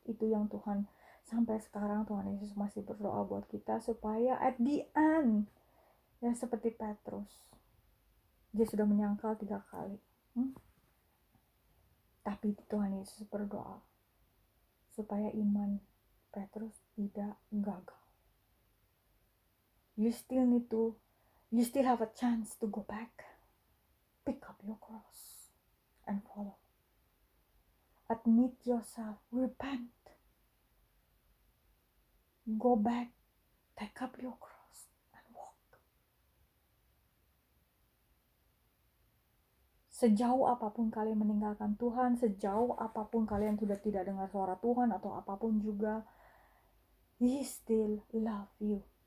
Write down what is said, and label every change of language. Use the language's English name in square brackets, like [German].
[Indonesian] Itu yang Tuhan sampai sekarang Tuhan Yesus masih berdoa buat kita, supaya [English] at the end [Indonesian] ya, seperti Petrus, dia sudah menyangkal 3 kali, tapi Tuhan Yesus berdoa supaya iman Petrus tidak gagal. [English] You still have a chance to go back. Pick up your cross and follow. Admit yourself, repent. Go back, take up your cross and walk. [Indonesian] Sejauh apapun kalian meninggalkan Tuhan, sejauh apapun kalian sudah tidak dengar suara Tuhan atau apapun juga, [English] He still love you.